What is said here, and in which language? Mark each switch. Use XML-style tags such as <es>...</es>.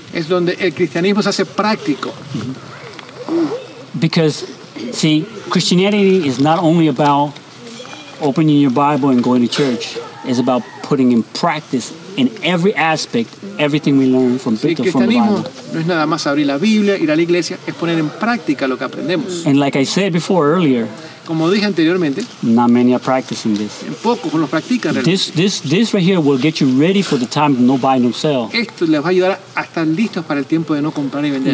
<es>Es donde el cristianismo se hace práctico. Mm-hmm.</es> <en>Because, see, Christianity is not only about opening your Bible and going to church. Is about putting in practice in every aspect everything we learn from the Bible.</en> <es>No es nada más abrir la Biblia, ir a la iglesia, es poner en práctica lo que aprendemos.</es> <en>And like I said before earlier,</en> <es>como dije anteriormente,</es> <en>not many are practicing this.</en> <es>Pocos lo practican realmente.</es> <en>This right here will get you ready for the time of no buy, no sell.</en> <es>Esto les va a ayudar a estar listos para el tiempo de no comprar y vender.</es>